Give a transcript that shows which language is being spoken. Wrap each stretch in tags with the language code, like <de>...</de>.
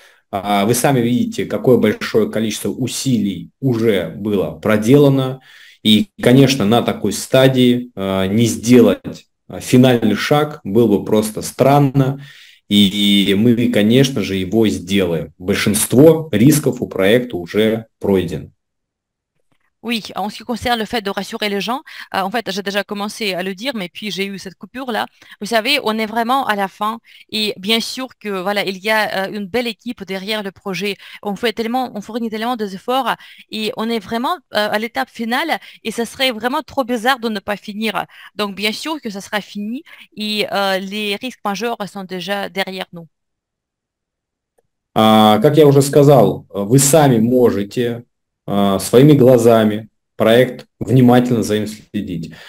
<ru>Вы сами видите, какое большое количество усилий уже было проделано. И, конечно, на такой стадии не сделать финальный шаг было бы просто странно. И мы, конечно же, его сделаем. Большинство рисков у проекта уже пройдено.</ru> <fr>Oui, en ce qui concerne le fait de rassurer les gens, en fait, j'ai déjà commencé à le dire, mais puis j'ai eu cette coupure-là. Vous savez, on est vraiment à la fin et bien sûr que voilà, il y a une belle équipe derrière le projet. On fournit tellement d'efforts et on est vraiment à l'étape finale et ça serait vraiment trop bizarre de ne pas finir. Donc, bien sûr que ça sera fini et les risques majeurs sont déjà derrière nous.</fr> <ru>Как я уже сказал, вы сами можете своими глазами проект внимательно за ним следить.</ru>